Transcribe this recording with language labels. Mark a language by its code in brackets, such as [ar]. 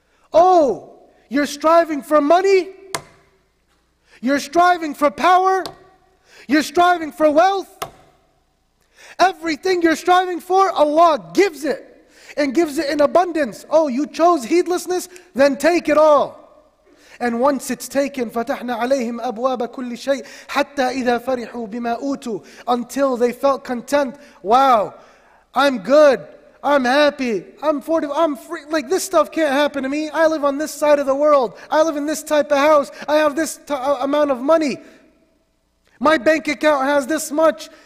[en] Oh, you're striving for money? You're striving for power? You're striving for wealth? Everything you're striving for, Allah gives it, and gives it in abundance. Oh, you chose heedlessness? Then take it all. And once it's taken, [ar] فَتَحْنَا عَلَيْهِمْ أَبْوَابَ كُلِّ شَيْءٍ حَتَّى إِذَا فَرِحُوا بِمَا أُوتُوا. [en] Until they felt content. Wow, I'm good. I'm happy. I'm 40. I'm free. Like, this stuff can't happen to me. I live on this side of the world. I live in this type of house. I have this amount of money. My bank account has this much.